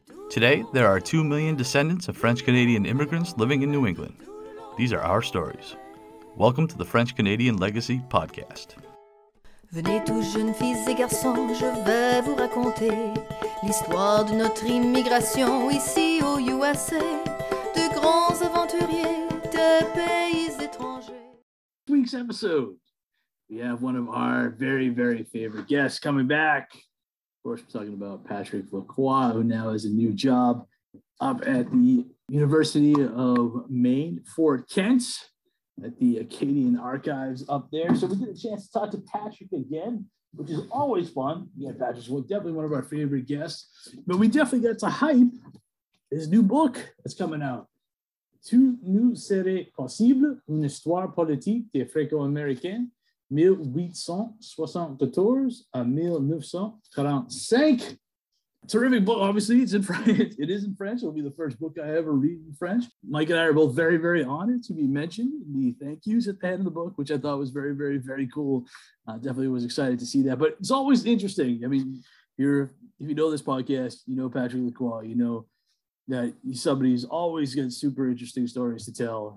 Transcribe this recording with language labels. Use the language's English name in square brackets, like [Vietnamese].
[English] Today, there are 2 million descendants of French-Canadian immigrants living in New England. These are our stories. Welcome to the French-Canadian Legacy Podcast. [French] Venez tous, jeunes filles et garçons, je vais vous raconter l'histoire de notre immigration ici aux USA, de grands aventuriers des pays étrangers. [English] This week's episode, we have one of our very, very favorite guests coming back. Of course, we're talking about Patrick Lacroix, who now has a new job up at the University of Maine, Fort Kent, at the Acadian Archives up there. So we get a chance to talk to Patrick again, which is always fun. Yeah, Patrick's definitely one of our favorite guests. But we definitely got to hype his new book that's coming out. [French] Tu nous serais possible une histoire politique des Franco-Américains 1874 à 1945. [English] Terrific book. Obviously, it's in French. It is in French. It'll be the first book I ever read in French. Mike and I are both very, very honored to be mentioned in the thank yous at the end of the book, which I thought was very, very, very cool. Definitely was excited to see that. But it's always interesting. I mean, if you know this podcast, you know Patrick Lacroix, you know that somebody's always got super interesting stories to tell.